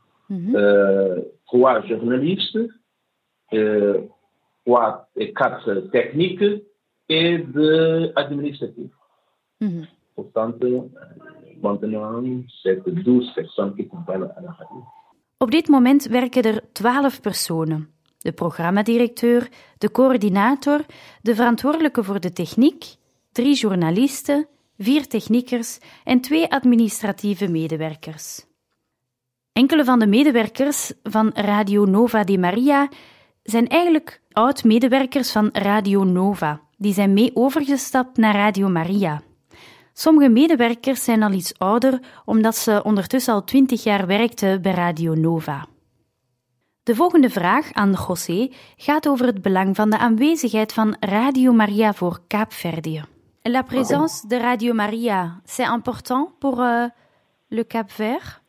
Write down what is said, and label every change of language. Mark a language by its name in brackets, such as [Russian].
[French] Mm-hmm. 3 journalistes, 4 techniques et 2 administratifs. Mm-hmm. Pourtant, maintenant, c'est 12 personnes qui comprennent à la radio. [Dutch] Op dit moment werken er 12 personen. De programmadirecteur, de coördinator, de verantwoordelijke voor de techniek, 3 journalisten, 4 techniekers en 2 administratieve medewerkers. Enkele van de medewerkers van Radio Nova de Maria zijn eigenlijk oud-medewerkers van Radio Nova. Die zijn mee overgestapt naar Radio Maria. Sommige medewerkers zijn al iets ouder, omdat ze ondertussen al 20 jaar werkten bij Radio Nova. De volgende vraag aan José gaat over het belang van de aanwezigheid van Radio Maria voor Kaapverdië. [French] La présence de Radio Maria, c'est important pour le Cap Vert?